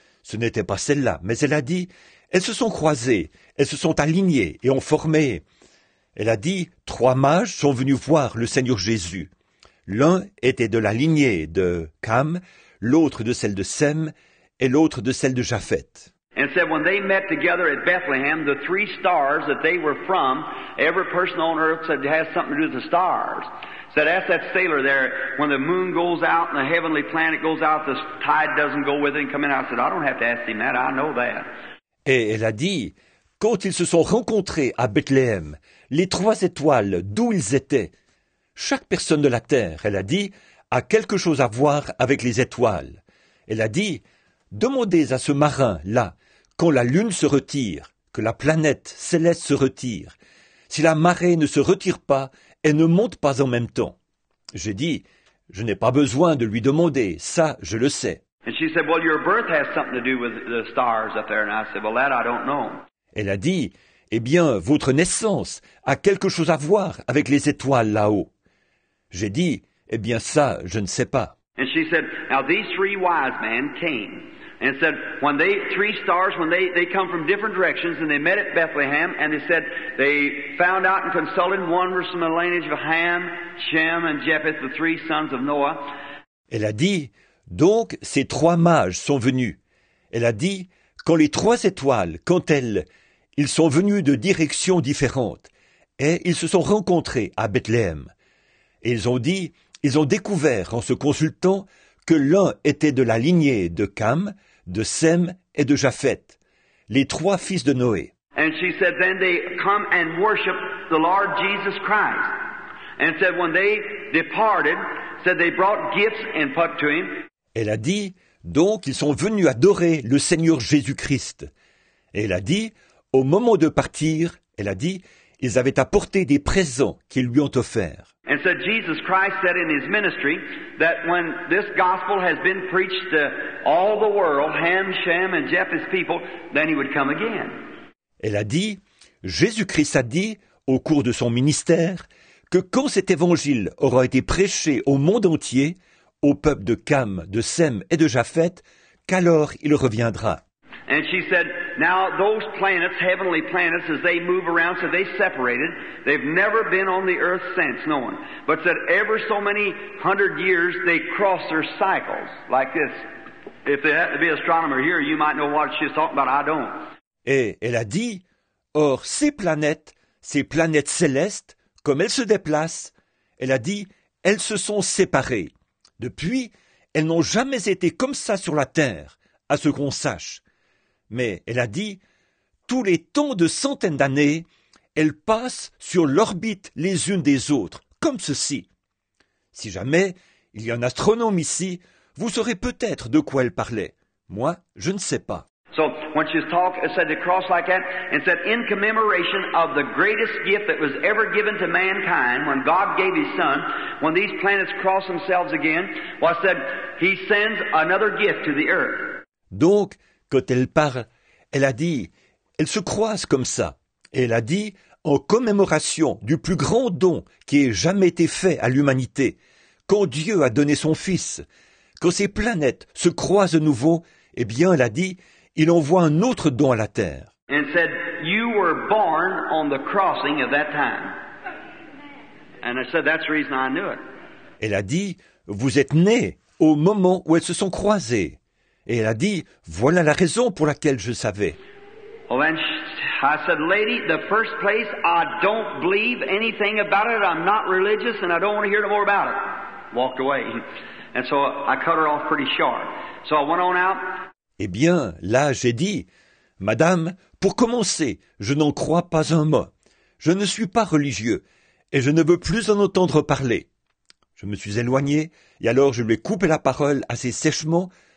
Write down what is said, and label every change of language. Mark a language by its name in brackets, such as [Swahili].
[French] Ce n'était pas celle-là, mais elle a dit, elles se sont croisées, elles se sont alignées et ont formé. Elle a dit, trois mages sont venus voir le Seigneur Jésus. L'un était de la lignée de Cam, l'autre de celle de Sem et l'autre de celle de Japheth. [English] And said when they met together at Bethlehem, the three stars that they were from, every person on earth said has something to do with the stars. Said, ask that sailor there, when the moon goes out and the heavenly planet goes out, the tide doesn't go with it and come in. I said, I don't have to ask him that, I know that. [French] Et elle a dit, quand ils se sont rencontrés à Bethléem, les trois étoiles, d'où ils étaient, chaque personne de la terre, elle a dit, a quelque chose à voir avec les étoiles. Elle a dit, demandez à ce marin-là, quand la lune se retire, que la planète céleste se retire, si la marée ne se retire pas et ne monte pas en même temps. J'ai dit, je n'ai pas besoin de lui demander, ça je le sais. [English] And she said, well, your birth has something to do with the stars up there. And I said, well, that I don't know. [French] Elle a dit, eh bien, votre naissance a quelque chose à voir avec les étoiles là-haut. J'ai dit, eh bien, ça je ne sais pas. [English] And she said, now these three wise men came. And said, when they, three stars, when they come from different directions, and they met at Bethlehem, and they said, they found out and consulted one was from the lineage of Ham, Shem, and Japheth, the three sons of Noah. [French] Elle a dit, donc ces trois mages sont venus. Elle a dit, quand les trois étoiles, quand elles, ils sont venus de directions différentes, et ils se sont rencontrés à Bethléem. Et ils ont dit, ils ont découvert en se consultant que l'un était de la lignée de Cam, de Sem et de Japheth, les trois fils de Noé. [English] And she said, then they come and worship the Lord Jesus Christ. And said, when they departed, said they brought gifts and put to him. [French] Elle a dit, donc ils sont venus adorer le Seigneur Jésus-Christ. Et elle a dit, au moment de partir, elle a dit, ils avaient apporté des présents qu'ils lui ont offerts. [English] And said Jesus Christ said in his ministry that when this gospel has been preached to all the world, Ham, Shem, and Japheth's people, then he would come again. [French] Elle a dit, Jésus-Christ a dit au cours de son ministère que quand cet évangile aura été prêché au monde entier, au peuple de Cam, de Sem et de Japheth, qu'alors il reviendra. [English] And she said, now those planets, heavenly planets, as they move around, so they separated. They've never been on the earth since, no one. But said, ever so many hundred years, they cross their cycles, like this. If they had to be an astronomer here, you might know what she's talking about, I don't. [French] Et elle a dit, or ces planètes célestes, comme elles se déplacent, elle a dit, elles se sont séparées. Depuis, elles n'ont jamais été comme ça sur la Terre, à ce qu'on sache. Mais elle a dit, tous les temps de centaines d'années, elles passent sur l'orbite les unes des autres, comme ceci. Si jamais il y a un astronome ici, vous saurez peut-être de quoi elle parlait. Moi, je ne sais pas. [English] So, when she talked, said the cross like that, and said, in commemoration of the greatest gift that was ever given to mankind, when God gave his son, when these planets cross themselves again, well, said, he sends another gift to the earth. [French] Donc, quand elle parle, elle a dit, elles se croisent comme ça. Et elle a dit, en commémoration du plus grand don qui ait jamais été fait à l'humanité, quand Dieu a donné son Fils, quand ces planètes se croisent de nouveau, eh bien, elle a dit, il envoie un autre don à la Terre. [English] And said, you were born on the crossing of that time. And I said, that's the reason I knew it. [French] Elle a dit, vous êtes né au moment où elles se sont croisées. Et elle a dit, voilà la raison pour laquelle je savais. [English] I said, lady, the first place, I don't believe anything about it. I'm not religious and I don't want to hear no more about it. Walked away. And so I cut her off pretty sharp. So I went on out. [French] Eh bien, là, j'ai dit, madame, pour commencer, je n'en crois pas un mot. Je ne suis pas religieux et je ne veux plus en entendre parler. Je me suis éloigné et alors je lui ai coupé la parole assez sèchement.